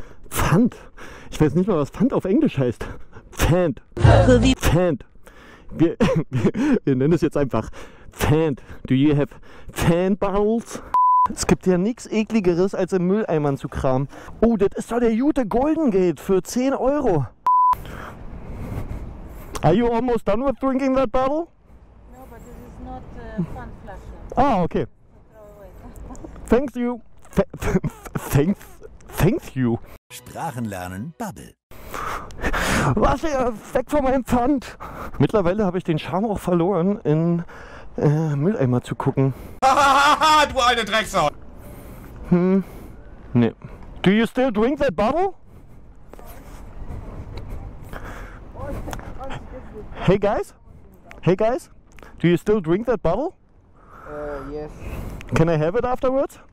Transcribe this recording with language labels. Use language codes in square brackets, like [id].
[de] Pfand. Ich weiß nicht mal, was Pfand auf Englisch heißt. Pfand. Pfand. Wir nennen es jetzt einfach Pfand. [en] Do you have Pfand bottles? [de] Es gibt ja nichts ekligeres, als im Mülleimer zu kramen. Oh, das ist doch der gute Golden Gate für 10 Euro. [en] Are you almost done with drinking that bottle? No, but this is not Pfandflasche. Ah, okay. Thanks you. Thanks you. [de] Sprachenlernen Bubble. Was hier? Weg von meinem Pfand! Mittlerweile habe ich den Charme auch verloren, in Mülleimer zu gucken. Hahaha, du alte Drecksau! Hm. Nee. [en] Do you still drink that bottle? Hey guys? Hey guys? Do you still drink that bottle? Yes. Can I have it afterwards?